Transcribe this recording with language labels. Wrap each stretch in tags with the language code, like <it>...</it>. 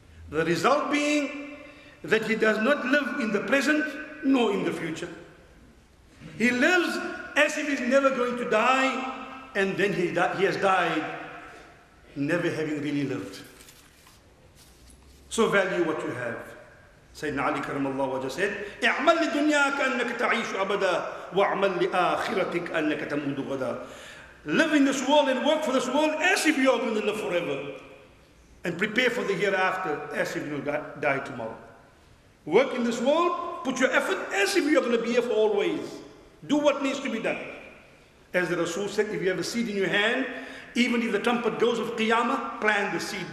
<en>The result being that he does not live in the present nor in the future. He lives as if he's never going to die, and then he has died, never having really lived. So value what you have. Sayyidina Ali Karamallahu Wajah said,</en> <ar>اعمل لدنياك أنك تعيش أبدا وعمل لآخرتك أنك تموت غدا.</ar> <en>Live in this world and work for this world as if you are going to live forever. And prepare for the hereafter as if you will die tomorrow. Work in this world, put your effort as if you are going to be here for always. Do what needs to be done. As the Rasul said, if you have a seed in your hand, even if the trumpet goes of Qiyamah, plant the seed.</en>